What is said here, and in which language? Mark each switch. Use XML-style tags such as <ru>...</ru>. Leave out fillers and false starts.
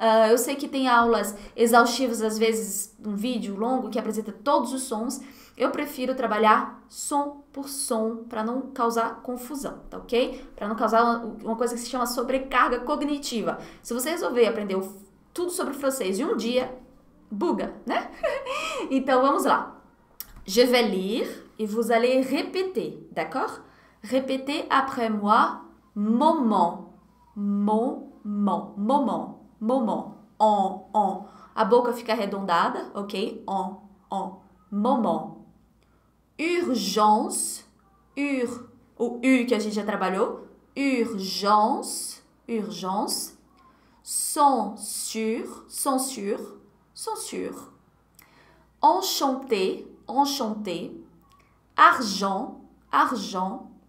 <pt>Eu sei que tem aulas exaustivas, às vezes, um vídeo longo que apresenta todos os sons. Eu prefiro trabalhar som por som para não causar confusão, tá ok? Para não causar uma coisa que se chama sobrecarga cognitiva. Se você resolver aprender o tudo sobre francês e um dia buga, né? Então vamos lá.</pt> <fr>Je vais lire et vous allez répéter, d'accord? Répétez après moi, moment, moment, moment, moment, on, on.</fr> <pt>A boca fica arredondada, ok?</pt> <fr>On, on, moment.</fr> <pt>Urgence, o U que a gente já trabalhou.</pt> <fr>Urgence, urgence. Censure, censure, censure. Enchanté, enchanté. Argent, argent.</fr>